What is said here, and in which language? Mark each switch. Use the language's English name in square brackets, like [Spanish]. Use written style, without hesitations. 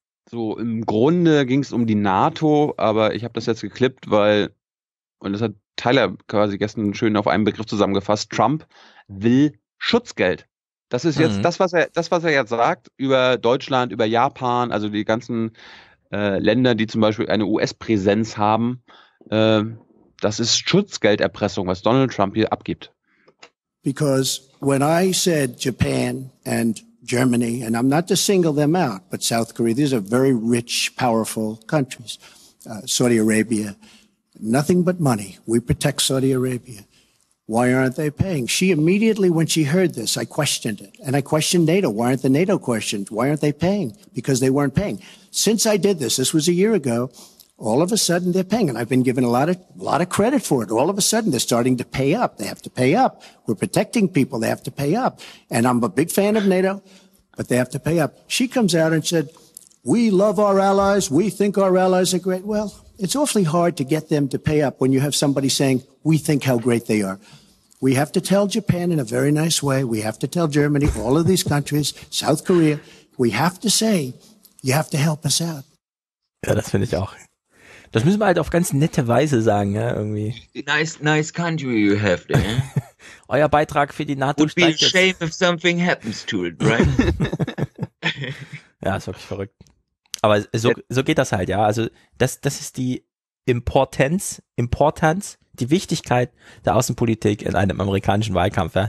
[German] So, im Grunde ging es um die NATO, aber ich habe das jetzt geklippt, weil, und das hat Tyler quasi gestern schön auf einen Begriff zusammengefasst, Trump will Schutzgeld. Das ist jetzt das, was er jetzt sagt über Deutschland, über Japan, also die ganzen Länder, die zum Beispiel eine US-Präsenz haben. Das ist Schutzgelderpressung, was Donald Trump hier abgibt. [English] Because when I said Japan and Germany, and I'm not to single them out, but South Korea, these are very rich, powerful countries. Saudi Arabia, nothing but money. We protect Saudi Arabia. Why aren't they paying? She immediately, when she heard this, I questioned it. And I questioned NATO. Why aren't the NATO questioned? Why aren't they paying? Because they weren't paying. Since I did this, this was a year ago, all of a sudden they're paying. And I've been given a lot of credit for it. All of a sudden they're starting to pay up. They have to pay up. We're protecting people. They have to pay up. And I'm a big fan of NATO, but they have to pay up. She comes out and said, we love our allies. We think our allies are great. Well, it's awfully hard to get them to pay up when you have somebody saying, we think how great they are. We have to tell Japan in a very nice way. We have to tell Germany, all of these countries, South Korea. We have to say, you have to help us out. [German] Ja, das finde ich auch. Das müssen wir halt auf ganz nette Weise sagen, ja, irgendwie. [English] Nice country you have there. [German] Euer Beitrag für die NATO steigt jetzt. [English] Would be a shame if something happens to it, right? [German] Ja, ist wirklich verrückt. Aber so geht das halt, ja. Also das ist die Importanz, die Wichtigkeit der Außenpolitik in einem amerikanischen Wahlkampf, ja?